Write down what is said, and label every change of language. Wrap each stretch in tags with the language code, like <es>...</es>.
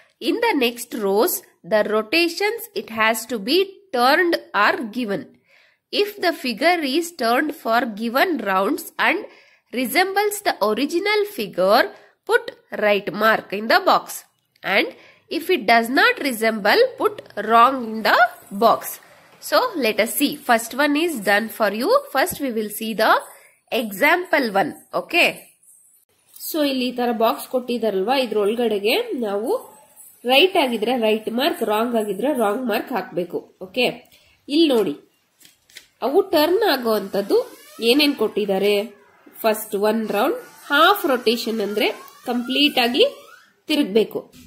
<en>In the next rows the rotations it has to be turned are given. If the figure is turned for given rounds and resembles the original figure, put right mark in the box and if it does not resemble, put wrong in the box. So let us see. First one is done for you. First we will see the example one. Okay.</en> <kn>So ಇಲ್ಲಿ ಈ ತರ box ಕೊಟ್ಟಿದಾರಲ್ವಾ, ಇದ್ರೊಳಗಡೆಗೆ ನಾವು right ಆಗಿದ್ರೆ right mark, wrong ಆಗಿದ್ರೆ wrong mark ಹಾಕ್ಬೇಕು. Okay, ಇಲ್ಲಿ ನೋಡಿ ಅವು ಟರ್ನ್ ಆಗುವಂತದ್ದು ಏನೇನ್ ಕೊಟ್ಟಿದ್ದಾರೆ. First one round half rotation ಅಂದ್ರೆ ಕಂಪ್ಲೀಟ್ ಆಗಿ ತಿರುಗ್ಬೇಕು.</kn>